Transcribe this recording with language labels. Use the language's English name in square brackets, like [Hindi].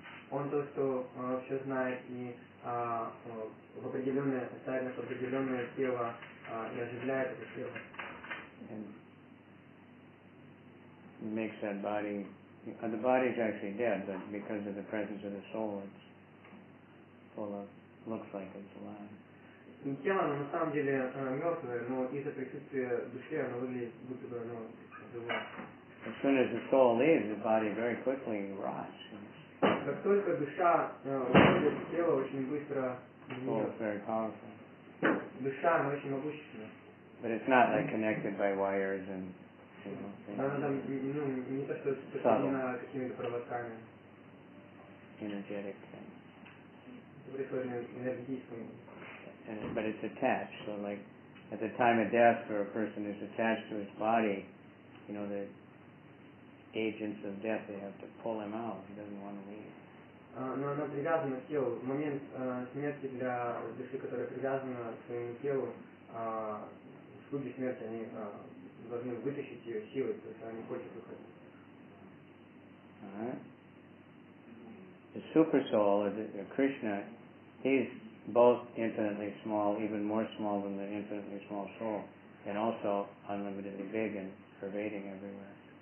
[Russian] Он то, что все знает и в определенное ставит нас в определенное тело и оживляет это тело. [English] And makes that body. The body is actually dead, but because of the presence of the soul, it's full of, looks like it's alive. [Russian] Тело, на самом деле, мертвое, но из-за присутствия души оно выглядит, будто бы оно живое. [English] As soon as the soul leaves, the body very quickly rots. [Russian] Как только душа уходит, тело очень быстро [English] гниет. Soul is very powerful. [Russian] Душа, она очень могущественна. [English] But it's not like connected by wires and... [Russian] Она там, ну, не то, что соединена какими-то проводками. [English] Energetic thing. [Russian] Энергетическими. [English] But it's attached, so like, at the time of death, where a person is attached to his body, you know, the agents of death, they have to pull him out, he doesn't want to leave. [Russian] Но она привязана к телу. В момент смерти для души, которая привязана к своему телу, судьи смерти, они... должны вытащить ее силой, потому что она не хочет выходить. [English] Alright. The super soul, the Krishna, he's both infinitely small, even more small than the infinitely small soul, and also unlimitedly big and pervading everywhere.